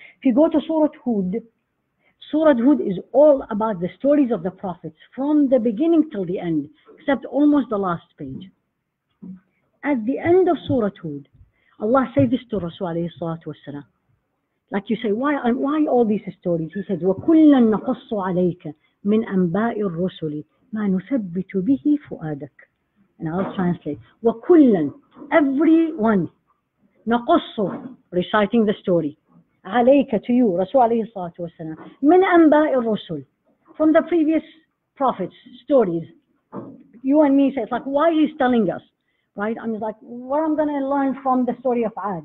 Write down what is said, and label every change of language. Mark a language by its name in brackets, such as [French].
[English] If you go to Surah Hud, Surah Hud is all about the stories of the prophets from the beginning till the end, except almost the last page. At the end of Surah Hud, Allah says this to Rasul alayhi salatu wasalam. Like you say, why all these stories? He says, [Arabic] وَكُلَّا نَقَصُ عَلَيْكَ مِنْ أَنْبَاءِ الرُّسُلِ مَا نُثَبِّتُ بِهِ فُؤَادَكَ. [English] And I'll translate. [Arabic] وَكُلًّا, [English] everyone, [Arabic] نَقَصُ, [English] reciting the story. [Arabic] عليك, [English] to you, Rasul alayhi salatu wasalam, [Arabic] من أنباء الرسل, [English] from the previous prophets, stories. You and me say, it's like, why he's telling us, right? I'm like, what I'm going to learn from the story of Ad?